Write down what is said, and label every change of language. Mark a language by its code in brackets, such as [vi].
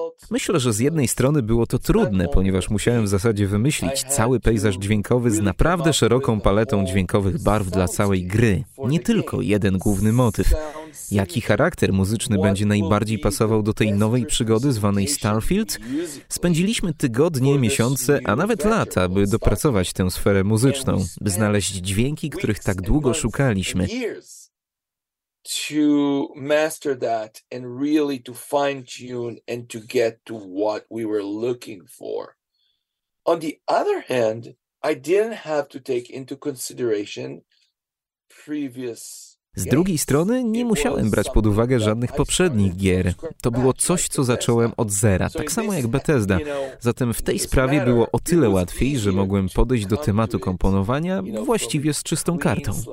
[pl] Myślę, że z jednej strony było to trudne, ponieważ musiałem w zasadzie wymyślić cały pejzaż dźwiękowy z naprawdę szeroką paletą dźwiękowych barw dla całej gry, nie tylko jeden główny motyw. Jaki charakter muzyczny będzie najbardziej pasował do tej nowej przygody zwanej Starfield? Spędziliśmy tygodnie, miesiące, a nawet lata, by dopracować tę sferę muzyczną, by znaleźć dźwięki, których tak długo szukaliśmy. [en] To master that and really to fine-tune and to get to what we were looking for. On the other hand, I didn't have to take into consideration previous... [pl] Z drugiej strony, nie musiałem brać pod uwagę żadnych poprzednich gier. To było coś, co zacząłem od zera, tak samo jak Bethesda. Zatem w tej sprawie było o tyle łatwiej, że mogłem podejść do tematu komponowania właściwie z czystą kartą.